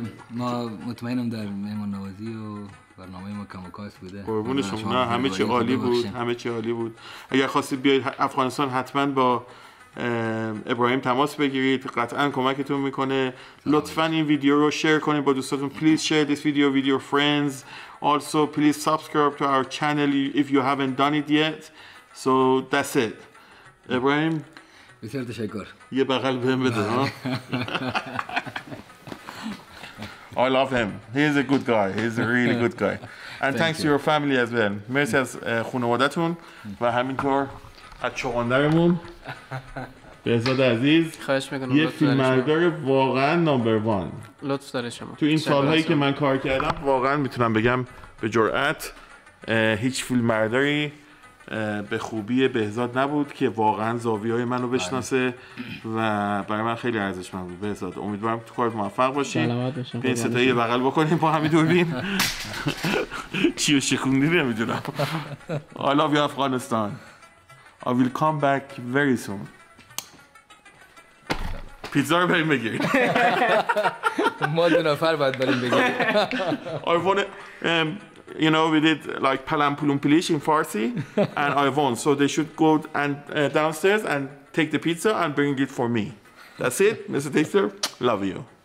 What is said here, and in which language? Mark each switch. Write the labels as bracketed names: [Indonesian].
[Persian] ما مطمئنم در مهمان نوازی و برنامه ما کم و کاست بوده. قربون شما. نه همه چی عالی بود. همه چی عالی بود. اگر خواستید بیاید افغانستان حتما با ابراهیم تماس بگیرید، قطعا کمکتون میکنه. لطفا این ویدیو رو شیر کنید با دوستاتون. [English] Please share this video with your friends. Also, please subscribe to our channel if you haven't done it yet. So that's it. Ibrahim [Persian] بسیار تشکر. یه بغل بهم بده. [English] I love him. He's a good guy. He's a really good guy. And thanks to your family as well. [Persian] مرسی از خانوادتون و همینطور از چوغندرمون بهزاد عزیز. خواهش میکنم. یه فیلمبردار واقعا نمبر وان. لطف داره شما. تو این سالهایی که من کار کردم واقعا میتونم بگم به جرأت هیچ فیلمبرداری به خوبی بهزاد نبود که واقعا زاویه های منو بشناسه و برای من خیلی ارزشمند بود. بهزاد امیدوارم تو کارت موفق باشی. سلامت باشی. ستایی بغل بکنیم با همین دوربین. چیو شکوندی نمیدونم. [English] I love you [Persian] افغانستان. [English] I will come back very soon. [Persian] پیتزا رو بریم بگیریم. ما دو نفر باید بریم بگیریم. [English] I want to, you know, we did like palam pulum pilish in Farsi and I won. So they should go and downstairs and take the pizza and bring it for me. That's it, Mr. Taster. Love you.